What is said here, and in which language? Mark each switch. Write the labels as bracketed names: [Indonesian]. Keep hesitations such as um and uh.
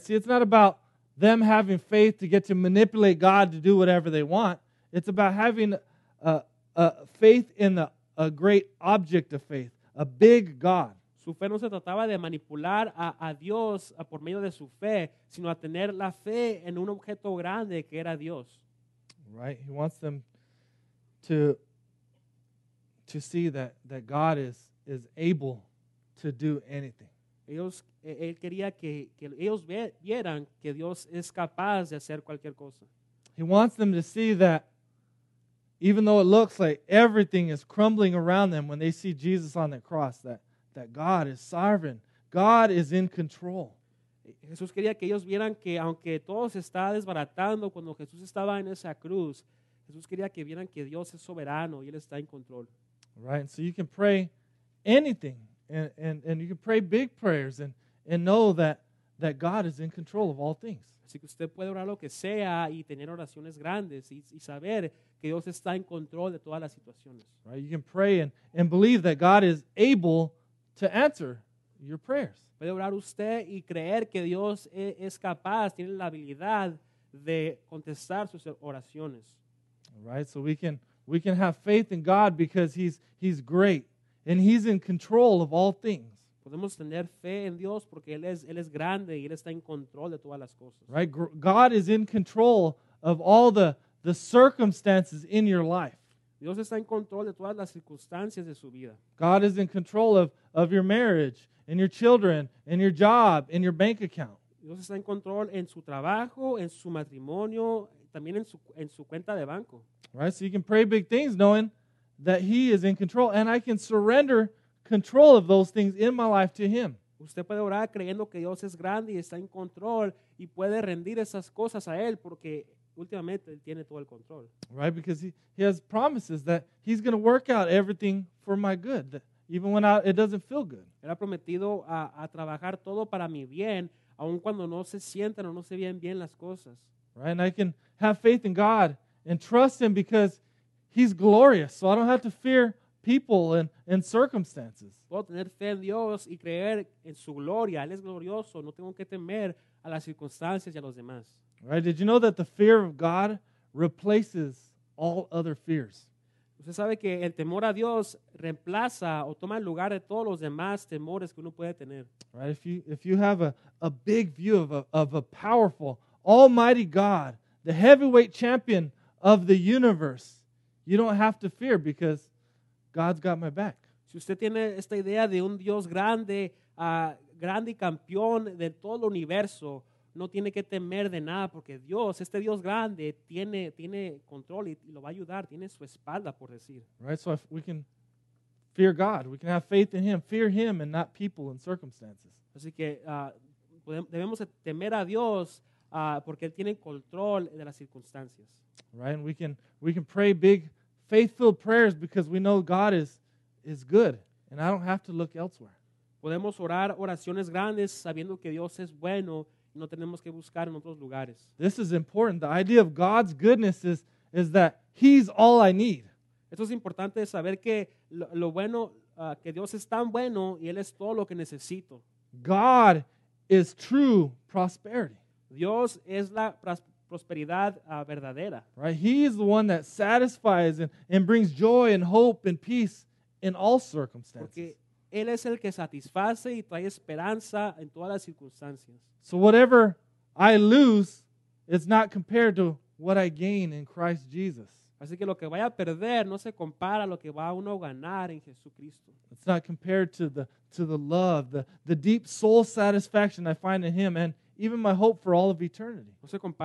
[English] See, it's not about them having faith to get to manipulate God to do whatever they want. It's about having a, a faith in the, a great object of faith, a big God. [Spanish] Su fe no se trataba de manipular a, a Dios a, por medio de su fe, sino a tener la fe en un objeto grande que era Dios. [English] Right. He wants them to, to see that, that God is, is able to do anything. [Spanish] Ellos, él quería que, que ellos vieran que Dios es capaz de hacer cualquier cosa. [English] He wants them to see that even though it looks like everything is crumbling around them when they see Jesus on the cross, that that God is sovereign. God is in control. [Spanish] Jesús quería que ellos vieran que aunque todo se está desbaratando cuando Jesús estaba en esa cruz, Jesús quería que vieran que Dios es soberano y él está en control. [English] Right, and so you can pray anything and, and, and, you can pray big prayers and, and know that, that God is in control of all things. [Spanish] Así que usted puede orar lo que sea y tener oraciones grandes y, y saber que Dios está en control de todas las situaciones. [English] Right, you can pray and, and believe that God is able to answer your prayers. [Spanish] Puede orar usted y creer que Dios es capaz, tiene la habilidad de contestar sus oraciones. [English] All right, so we can we can have faith in God because he's he's great and he's in control of all things. Right, God is in control of all the the circumstances in your life. [Spanish] Dios está en control de todas las circunstancias de su vida. [English] God is in control of, of, your marriage and your children and your job and your bank account. [Spanish] Dios está en control en su trabajo, en su matrimonio, también en su, en su cuenta de banco. [English] All right, so you can pray big things knowing that he is in control and I can surrender control of those things in my life to him. [Spanish] Usted puede orar creyendo que Dios es grande y está en control y puede rendir esas cosas a él porque últimamente tiene todo el control. [English] Right, because he, he has promises that he's going to work out everything for my good, that even when I, it doesn't feel good. He has promised to a, [Spanish] a trabajar todo [English] for my [Spanish] bien, [English] even when [Spanish] no se sientan o no se vean bien las cosas. [English] Right, and I can have faith in God and trust Him because He's glorious, so I don't have to fear people and, and, circumstances. Right? Did you know that the fear of God replaces all other fears? Right, if you know that the fear of God replaces all other fears. Right? If you have a, a big view of a, of a powerful Almighty God, the heavyweight champion of the universe, you don't have to fear because God's got my back. [Spanish] Si usted tiene esta idea de un Dios grande, uh, grande y campeón de todo el universo, no tiene que temer de nada porque Dios, este Dios grande, tiene, tiene control y, lo va a ayudar, tiene su espalda, por decir. [English] Right, so if we can fear God, we can have faith in Him, fear Him and not people and circumstances. [Spanish] Así que uh, podemos, debemos temer a Dios uh, porque Él tiene control de las circunstancias. [English] Right, and we can, we can pray big. faithful prayers because we know God is, is good and I don't have to look elsewhere. [Spanish] Podemos orar oraciones grandes sabiendo que Dios es bueno no tenemos que buscar en otros lugares. [English] This is important. The idea of God's goodness is, is that he's all I need. [Spanish] Esto es importante saber que lo, lo bueno uh, que Dios es tan bueno y él es todo lo que necesito. [English] God is true prosperity. [Spanish] Dios es la prosperidad prosperidad uh, verdadera. [English] Right? He is the one that satisfies and, and, brings joy and hope and peace in all circumstances. [Spanish] Porque él es el que satisface y trae esperanza en todas las circunstancias. [English] So whatever I lose is not compared to what I gain in Christ Jesus. [Spanish] Así que lo que vaya a perder no se compara lo que va a uno ganar en Jesucristo. [English] It's not compared to the to the love, the the deep soul satisfaction I find in him and even my hope for all of eternity. [Spanish] No se